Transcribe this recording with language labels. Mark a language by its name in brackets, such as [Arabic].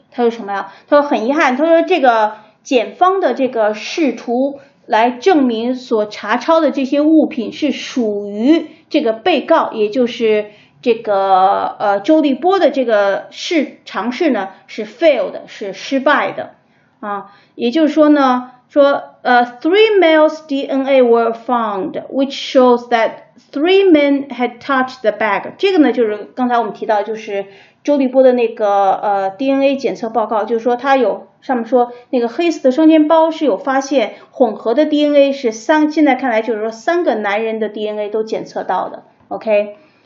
[Chinese] 他说什么呀，他说很遗憾，他说这个检方的这个试图来证明所查抄的这些物品是属于这个被告，也就是这个周立波的这个尝试呢是 [English] failed， [Chinese] 是失败的啊。也就是说呢，说 [English] three males DNA were found which shows that three men had touched the bag。 [Chinese] 这个呢就是刚才我们提到，就是周立波的那个DNA 检测报告，就是说他有上面说那个黑色的双肩包是有发现混合的 DNA， 是现在看来就是说三个男人的 DNA 都检测到的 OK。